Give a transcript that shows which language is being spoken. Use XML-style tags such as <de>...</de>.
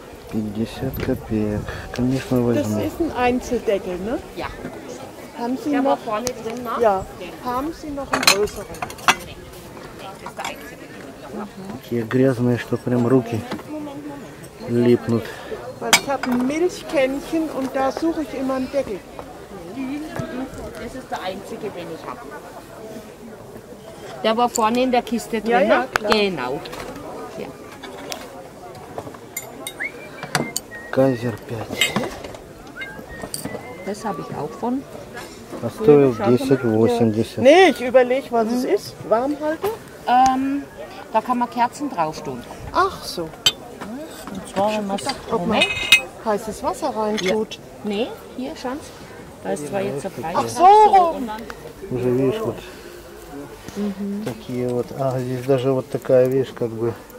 <ru>Пятьдесят копеек. Конечно, возьму.</ru> <de>Das ist ein Einzeldeckel, ne? Ja. Haben Sie noch vorne drin, ne? Ja. Haben Sie noch einen größeren?</de> <ru>Такие грязные, что прям руки липнут.</ru> <de>Ich habe ein Milchkännchen und da suche ich immer einen Deckel. Das ist der einzige, den ich habe. Der war vorne in der Kiste drin. Ja, ja, genau. Ja. Kaiser 5. Das habe ich auch von. Was stoi 10,80. Ja. Nee, ich überlege, was es ist. Warmhalter? Da kann man Kerzen drauf tun. Ach so. Und zwar, wenn man es heißes Wasser rein tut. Ja. Nee, hier, Schanz. Da ist zwar jetzt der Preis. Ach so, rum. Du siehst,</de> <ru>вот. Такие вот. А, здесь даже вот такая, видишь, как бы.</ru>